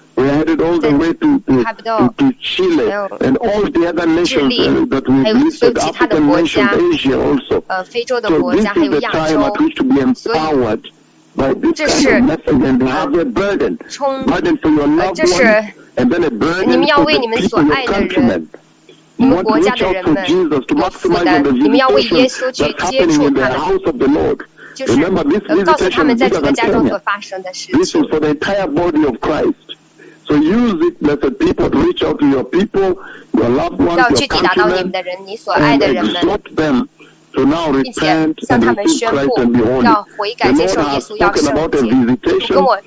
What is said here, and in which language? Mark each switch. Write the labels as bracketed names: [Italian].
[English] We are headed all the way to Chile and all the other nations that we visited. African nations, Asia also. So this is the time at which to be empowered by this kind of message and have a burden. Burden for your loved ones and then a burden for the people of your countrymen. [Chinese] 你们国家的人们有负担，你们要为耶稣去接触他的，就是告诉他们在这个家中所发生的事情。 [English] This is for the entire body of Christ. So use it as a people to reach out to your people, your loved ones, your countrymen, and exhort them to now repent and receive Christ and be holy. The Lord has spoken about a visitation.